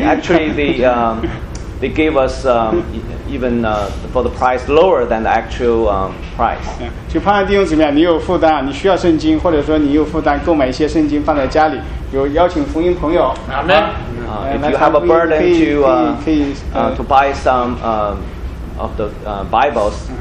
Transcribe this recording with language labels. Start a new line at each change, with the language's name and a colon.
English: Actually, they gave us even for the price lower than the actual price.
Chinese: 就盼望弟兄姊妹，你有负担，你需要圣经，或者说你有负担购买一些圣经放在家里，有邀请福音朋友。
English: Amen. If you have a burden to buy some of the Bibles.